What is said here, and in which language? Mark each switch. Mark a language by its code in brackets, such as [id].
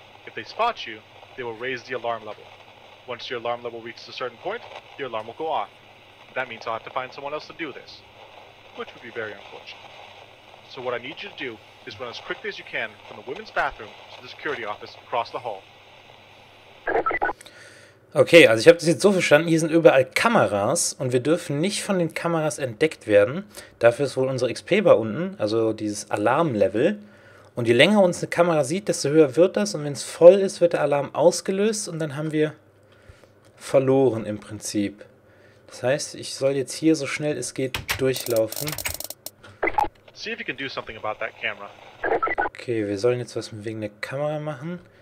[en] If they spot you, they will raise the alarm level. Once your alarm level reaches a certain point, your alarm will go off. That means I'll have to find someone else to do this. Which would be very unfortunate. So what I need you to do is run as quickly as you can from the women's bathroom to the security office across the hall. [de] Okay, also ich habe das jetzt so verstanden, hier sind überall Kameras und wir dürfen nicht von den Kameras entdeckt werden. Dafür ist wohl unser XP bei unten, also dieses Alarmlevel. Und je länger uns eine Kamera sieht, desto höher wird das und wenn es voll ist, wird der Alarm ausgelöst und dann haben wir verloren im Prinzip. Das heißt, ich soll jetzt hier so schnell es geht durchlaufen. [en] See if you can do something about that camera. [de] Okay, wir sollen jetzt was wegen der Kamera machen.